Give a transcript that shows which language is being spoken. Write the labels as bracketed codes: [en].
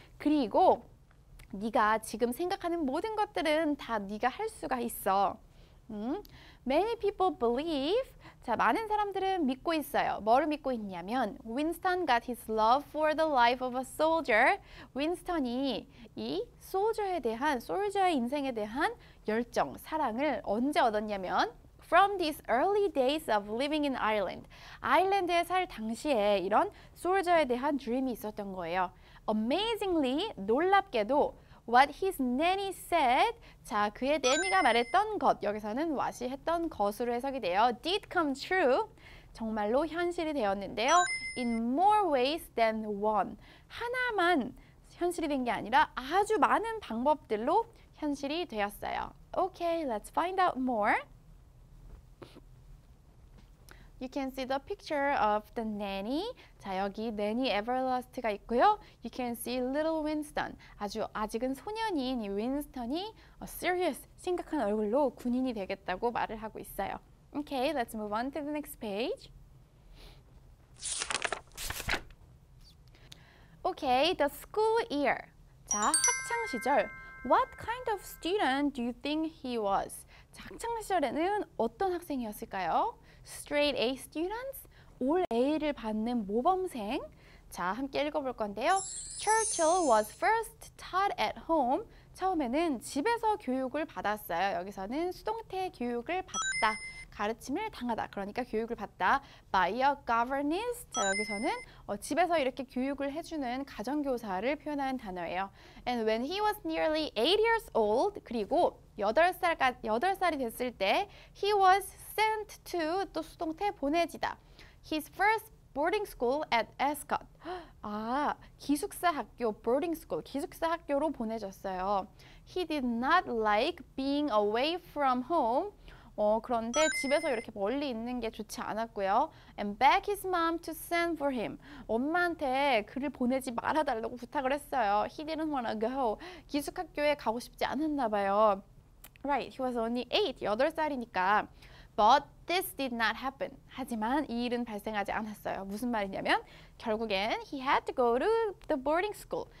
[ko] 그리고 네가 지금 생각하는 모든 것들은 다 네가 할 수가 있어. [en] Many people believe. [ko] 자, 많은 사람들은 믿고 있어요. 뭐를 믿고 있냐면 [en] Winston got his love for the life of a soldier. [ko] 윈스턴이 이 소저에 대한 소저의 인생에 대한 열정, 사랑을 언제 얻었냐면 [en] From these early days of living in Ireland. [ko] 아일랜드에 살 당시에 이런 소저에 대한 드림이 있었던 거예요. Amazingly, 놀랍게도 [en] What his nanny said, [ko] 자, 그의 내니가 말했던 것, 여기서는 what이 했던 것으로 해석이 돼요. [en] Did come true, [ko] 정말로 현실이 되었는데요. [en] In more ways than one, [ko] 하나만 현실이 된 게 아니라 아주 많은 방법들로 현실이 되었어요. [en] Okay, let's find out more. You can see the picture of the nanny. [ko] 자, 여기 Nanny Everlast가 있고요. [en] You can see little Winston. [ko] 아주 아직은 소년인 이 윈스턴이 serious, 심각한 얼굴로 군인이 되겠다고 말을 하고 있어요. [en] Okay, let's move on to the next page. Okay, the school year. [ko] 자, 학창시절. [en] What kind of student do you think he was? [ko] 자, 학창시절에는 어떤 학생이었을까요? [en] Straight A students, [ko] 올 A를 받는 모범생. 자, 함께 읽어볼 건데요. [en] Churchill was first taught at home. [ko] 처음에는 집에서 교육을 받았어요. 여기서는 수동태 교육을 받다, 가르침을 당하다. 그러니까 교육을 받다. [en] By a governess. [ko] 자, 여기서는 집에서 이렇게 교육을 해주는 가정교사를 표현하는 단어예요. [en] And when he was nearly 8 years old, [ko] 그리고 8살이 됐을 때 [en] he was sent to [ko] 또 수동태 보내지다. [en] His first boarding school at Ascot. [ko] 아, 기숙사 학교 boarding school, 기숙사 학교로 보내졌어요. [en] He did not like being away from home. [ko] 그런데 집에서 이렇게 멀리 있는 게 좋지 않았고요. [en] And begged his mom to send for him. [ko] 엄마한테 그를 보내지 말아달라고 부탁을 했어요. [en] He didn't want to go. [ko] 기숙학교에 가고 싶지 않았나 봐요. [en] Right, he was only 8, [ko] 8살이니까. [en] But this did not happen. [ko] 하지만 이 일은 발생하지 않았어요. 무슨 말이냐면 결국엔 [en] he had to go to the boarding school.